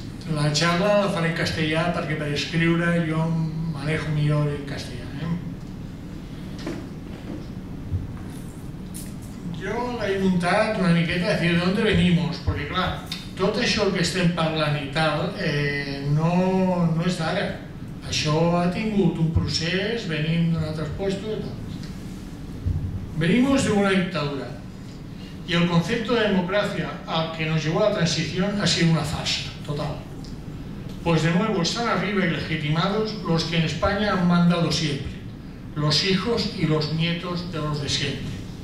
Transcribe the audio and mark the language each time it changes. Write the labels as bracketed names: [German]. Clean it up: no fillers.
[Catalan] La charla la faré en castellà perquè per escriure jo manejo millor en castellà. [Spanish] Yo la [Catalan] he muntat una miqueta [Spanish] a decir de dónde venimos, porque claro, todo eso que [Catalan] estem parlant [Spanish] y tal no es [Catalan] d'ara. Això ha tingut un procés, venim d'un altre puesto y tal. [Spanish] Venimos de una dictadura y el concepto de democracia al que nos llevó la transición ha sido una farsa total. Pues de nuevo están arriba y legitimados los que en España han mandado siempre, los hijos y los nietos de los de siempre.